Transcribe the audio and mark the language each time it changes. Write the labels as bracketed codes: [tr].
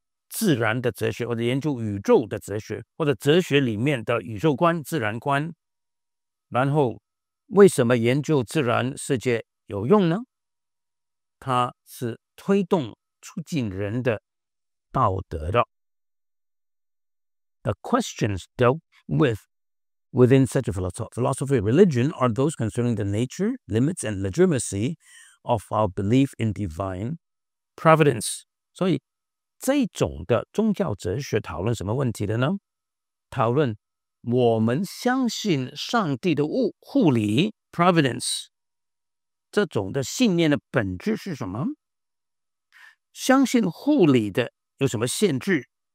[zh] 自然的哲学，或者研究宇宙的哲学，或者哲学里面的宇宙观、自然观。然后为什么研究自然世界有用呢？它是推动促进人的道德的。 [en] The questions dealt with within such a philosophy of religion are those concerning the nature, limits, and legitimacy of our belief in divine providence. [zh] 所以这种的宗教哲学讨论什么问题的呢？讨论我们相信上帝的护理 [en] providence [zh] 这种的信念的本质是什么？相信护理的有什么限制？